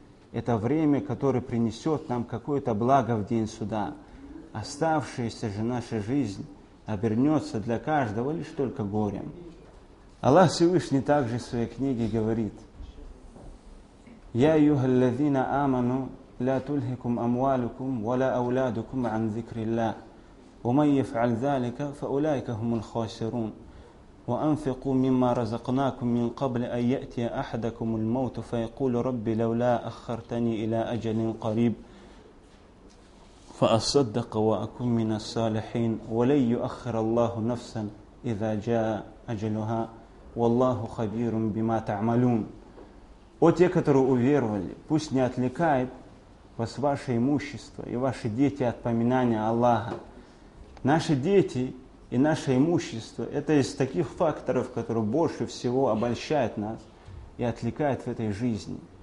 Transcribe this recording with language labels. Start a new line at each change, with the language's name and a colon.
Russian: Это время, которое принесет нам какое-то благо в день суда. Оставшаяся же наша жизнь обернется для каждого лишь только горем. Аллах Всевышний также в своей книге говорит:
Arabic: «Я юхаллязина аману لا تلهكم أموالكم ولا أولادكم عن ذكر الله ومن يفعل ذلك فأولئك هم الخاسرون وأنفقوا مما رزقناكم من قبل أن يأتي أحدكم الموت فيقول ربي لولا أخرتني إلى أجل قريب فأصدق وأكون من الصالحين ولن يؤخر الله نفسا إذا جاء أجلها والله خبير بما تعملون.
Russian: Те, которые уверовали, пусть не отвлекает вас ваше имущество и ваши дети от поминания Аллаха. Наши дети и наше имущество – это из таких факторов, которые больше всего обольщают нас и отвлекают в этой жизни.